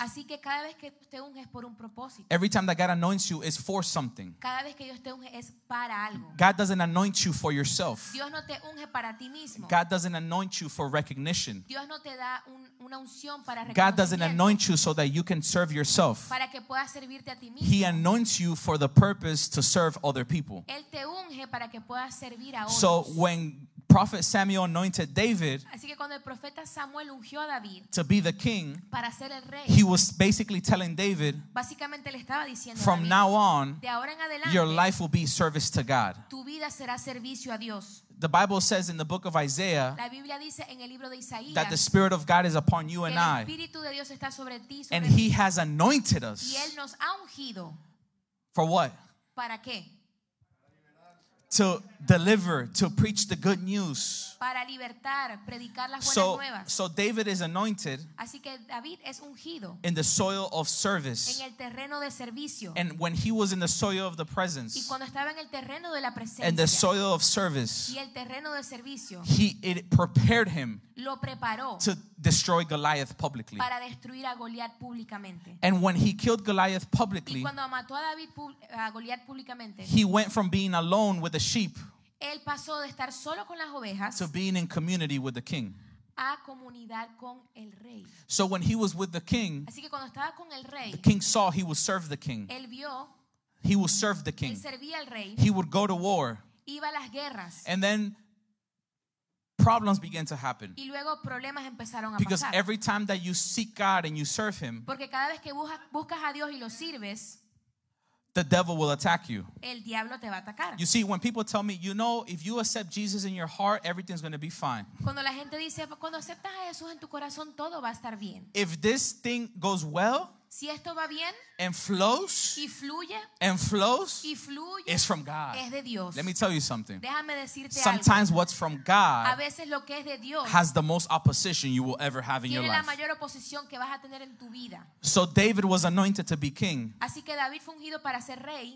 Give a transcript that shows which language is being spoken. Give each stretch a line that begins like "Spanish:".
Spanish: Así que cada vez que te unges por un propósito.
English: Every time that God anoints you, it's for something.
Spanish: Cada vez que Dios te unge es para algo.
English: God doesn't anoint you for yourself.
Spanish: Dios no te unge para ti mismo.
English: God doesn't anoint you for recognition.
Spanish: Dios no te da una unción para
English: God doesn't anoint you so that you can serve yourself.
Spanish: Para que puedas servirte a ti mismo.
English: He anoints you for the purpose to serve other people.
Spanish: Él te unge para que puedas servir a otros.
English: So when Prophet Samuel anointed David,
Spanish: así que cuando el profeta Samuel ungió a David
English: to be the king,
Spanish: para ser el rey,
English: he was basically telling David,
Spanish: básicamente le estaba diciendo,
English: from David, now on,
Spanish: de ahora en adelante,
English: your life will be service to God.
Spanish: Tu vida será servicio a Dios.
English: The Bible says in the book of Isaiah,
Spanish: la Biblia dice en el libro de Isaías,
English: that the Spirit of God is upon you and
Spanish: el Espíritu de Dios está sobre ti, sobre
English: and
Spanish: ti.
English: He has anointed us.
Spanish: Y él nos ha ungido.
English: For what?
Spanish: ¿Para qué?
English: To deliver, to preach the good news.
Spanish: Para libertar, predicar las buenas nuevas.
English: So David is anointed.
Spanish: Así que David es ungido.
English: In the soil of service.
Spanish: En el terreno de servicio.
English: And when he was in the soil of the presence.
Spanish: Y cuando estaba en el terreno de la presencia.
English: And the soil of service.
Spanish: Y el terreno de servicio.
English: It prepared him.
Spanish: Lo preparó.
English: To destroy Goliath publicly.
Spanish: Para destruir a Goliath públicamente.
English: And when he killed Goliath publicly.
Spanish: Y cuando mató a David a Goliath públicamente.
English: He went from being alone with the sheep.
Spanish: Él pasó de estar solo con las ovejas,
English: to being in community with the king.
Spanish: A comunidad con el rey.
English: So when he was with the king,
Spanish: así que cuando estaba con el rey,
English: the king saw he would serve the king.
Spanish: Él vio,
English: he would serve the king.
Spanish: Él servía al rey,
English: he would go to war.
Spanish: Iba a las guerras.
English: And then problems began to happen.
Spanish: Y luego problemas empezaron a
English: because
Spanish: pasar.
English: Every time that you seek God and you serve him,
Spanish: porque cada vez que buscas a Dios y lo sirves,
English: the devil will attack you.
Spanish: El diablo te va a atacar.
English: You see, when people tell me, you know, if you accept Jesus in your heart, everything's going to be fine.
Spanish: Cuando la gente dice, cuando aceptas a Jesús en tu corazón, todo va a estar bien.
English: If this thing goes well,
Spanish: si esto va bien,
English: and flows,
Spanish: y fluye,
English: and flows,
Spanish: y fluye,
English: it's from God.
Spanish: Es de Dios.
English: Let me tell you something.
Spanish: Déjame decirte
English: sometimes
Spanish: algo.
English: What's from God
Spanish: a veces lo que es de Dios
English: has the most opposition you will ever have in your life.
Spanish: La mayor oposición que vas a tener en tu vida.
English: So David was anointed to be king.
Spanish: Así que David fue ungido para ser rey.